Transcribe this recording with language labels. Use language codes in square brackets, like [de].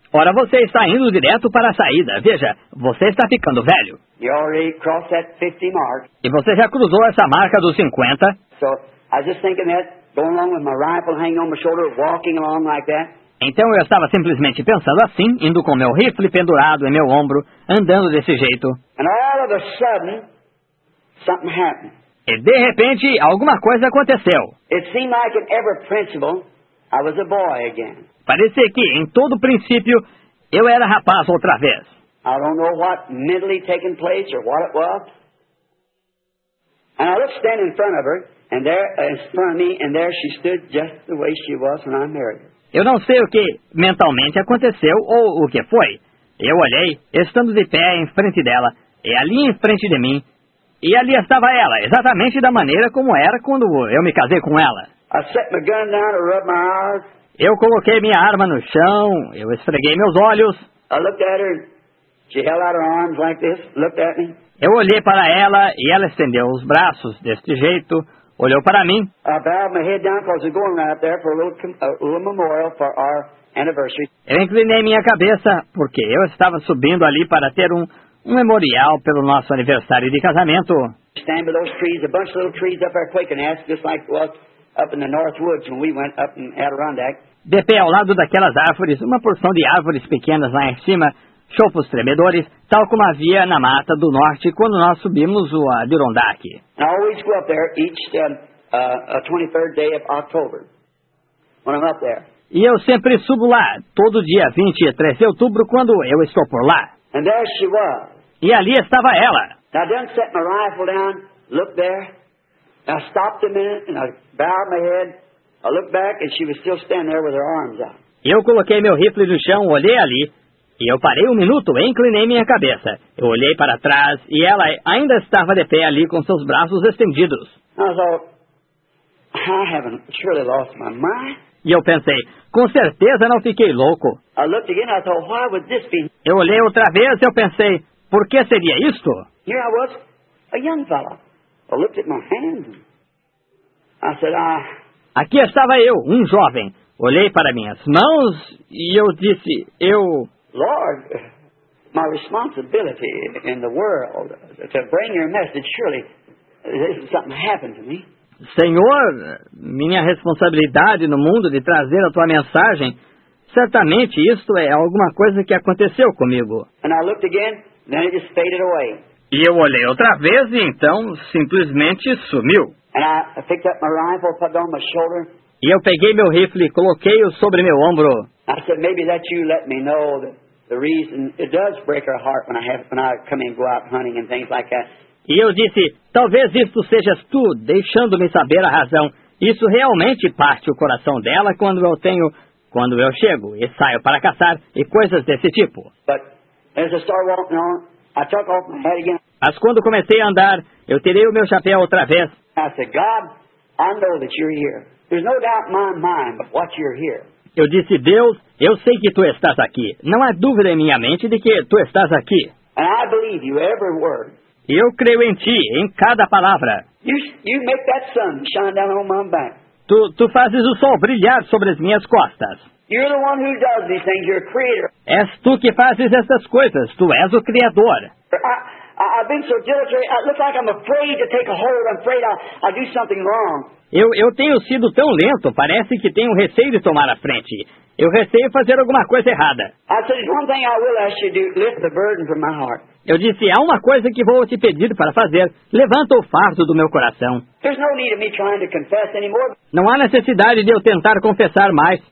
[pt] Ora, você está indo direto para a saída. Veja, você está ficando velho. [en] You already crossed that 50 mark. [pt] E você já cruzou essa marca dos 50. [en] So, I just thinking that, going along with my rifle hanging on my shoulder, walking along like that. [pt] Então eu estava simplesmente pensando assim, indo com meu rifle pendurado em meu ombro, andando desse jeito. [en] And all of a sudden, something happened. [pt] E de repente, alguma coisa aconteceu. [en] It seemed like in every principle, I was a boy again. [pt] Parecia que, em todo princípio, eu era rapaz outra vez. [en] I don't know what mentally taken place or what it was. And I looked standing in front of her, and there, in front of me, and there she stood just the way she was when I married her. [pt] Eu não sei o que mentalmente aconteceu ou o que foi. Eu olhei, estando de pé em frente dela, e ali em frente de mim, e ali estava ela, exatamente da maneira como era quando eu me casei com ela. [en] I set my gun down and rubbed my eyes. [pt] Eu coloquei minha arma no chão, eu esfreguei meus olhos. [en] I looked at her, she held out her arms like this, looked at me. [pt] Eu olhei para ela e ela estendeu os braços deste jeito, olhou para mim. [en] I bowed my head down because we're going out there for a little memorial for our anniversary. [pt] Eu inclinei minha cabeça porque eu estava subindo ali para ter um memorial pelo nosso aniversário de casamento. [en] Stand by those trees, a bunch of little trees up there quaking, ask just like it was. Up in the North Woods when we went up in Adirondack. [pt] De pé ao lado daquelas árvores, uma porção de árvores pequenas lá em cima, chopos tremedores, tal como havia na mata do norte quando nós subimos o Adirondack. [en] I always go up there each 23rd day of October when I'm up there. [pt] E eu sempre subo lá, todo dia 23 de outubro quando eu estou por lá. [en] And there she was. [pt] E ali estava ela. [en] I didn't set my rifle down, look there. I stopped a minute and I bowed my head. I looked back and she was still standing there with her arms out. [pt] Eu coloquei meu rifle no chão, olhei ali. E eu parei um minuto e inclinei minha cabeça. Eu olhei para trás e ela ainda estava de pé ali com seus braços estendidos. [en] I thought, I haven't surely lost my mind. [pt] E eu pensei, com certeza não fiquei louco. [en] I looked again and I thought, why would this be? [pt] Eu olhei outra vez e eu pensei, por que seria isto? [en] Here I was, a young fellow. I looked at my hands. I said, "Ah." [pt] Aqui estava eu, um jovem. Olhei para minhas mãos e eu disse, "Eu." [en] Lord, my responsibility in the world to bring your message. Surely, this is something happened to me. [pt] Senhor, minha responsabilidade no mundo de trazer a tua mensagem. Certamente, isto é alguma coisa que aconteceu comigo. [en] And I looked again, then it just faded away. [pt] E eu olhei outra vez e então simplesmente sumiu. [en] And I picked up my rifle, put it on my shoulder. [pt] E eu peguei meu rifle e coloquei-o sobre meu ombro. [en] I said, maybe that you let me know that the reason it does break her heart when I come in and go out hunting and things like that. [pt] E eu disse, talvez isto sejas tu, deixando-me saber a razão. Isso realmente parte o coração dela quando eu tenho, quando eu chego e saio para caçar e coisas desse tipo. [en] But as I started walking on, I took off my head again. [pt] Mas quando comecei a andar, eu tirei o meu chapéu outra vez. [en] I said, God, I know that you're here. There's no doubt in my mind but what you're here. [pt] Eu disse, Deus, eu sei que tu estás aqui. Não há dúvida em minha mente de que tu estás aqui. [en] And I believe you every word. [pt] Eu creio em ti, em cada palavra. [en] You make that sun shine down on my back. [pt] Tu fazes o sol brilhar sobre as minhas costas. [en] You're the one who does these things. You're a creator. [pt] És tu que fazes essas coisas. Tu és o Criador. [en] I've been so diligent. It looks like I'm afraid to take a hold. I'm afraid I do something wrong. [pt] Eu tenho sido tão lento. Parece que tenho receio de tomar a frente. Eu receio fazer alguma coisa errada. [en] I said, there's one thing I will ask you to do. Lift the burden from my heart. [pt] Eu disse, há uma coisa que vou te pedir para fazer. Levanta o fardo do meu coração. [en] There's no need of me trying to confess anymore. [pt] Não há necessidade de eu tentar confessar mais.